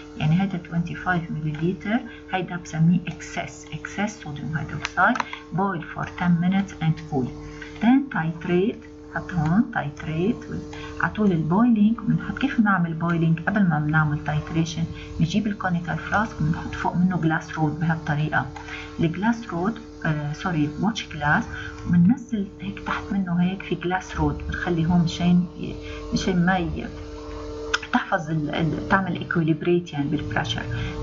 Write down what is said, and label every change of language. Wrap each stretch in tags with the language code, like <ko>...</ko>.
<ar>يعني هذا 25 milliliter هيدا بسميه excess sodium hydroxide.</ar> <en>boil for 10 minutes and cool. then titrate.</en> <ar>حط هون titrate عطول البويلينج. بنحط كيف بنعمل بويلينج قبل ما بنعمل titration. نجيب الكونيكال فلاسك بنحط فوق منه glass rod بهالطريقة. الglass rod سوري watch glass بننزل هيك تحت منه هيك في glass rod بنخلي هون مشان ما تحفظ تعمل equilibrate يعني بالpressure.</ar>